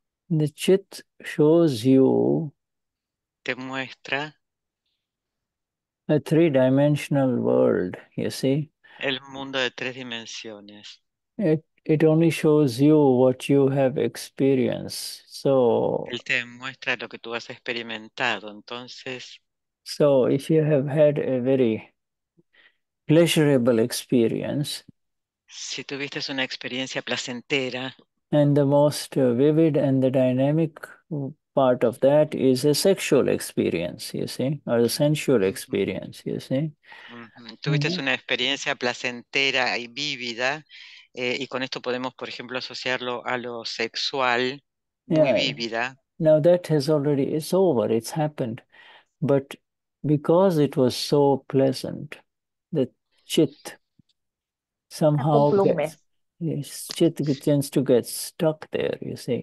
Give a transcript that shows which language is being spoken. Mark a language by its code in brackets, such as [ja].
[en] The chit shows you, [es] te muestra, [en] a three-dimensional world, you see? [es] El mundo de tres dimensiones. [en] It only shows you what you have experienced. So, [es] él te muestra lo que tú has experimentado, entonces. [en] So, if you have had a very pleasurable experience, [es] si tuviste una experiencia placentera, [en] and the most vivid and the dynamic part of that is a sexual experience, you see, or a sensual experience, you see. Mm-hmm. [es] Tuviste una experiencia placentera y vívida, y con esto podemos, por ejemplo, asociarlo a lo sexual, yeah, muy vívida. [en] Now that has already, it's over, it's happened. But because it was so pleasant, the chit somehow gets... Yes, chit tends to get stuck there, you see.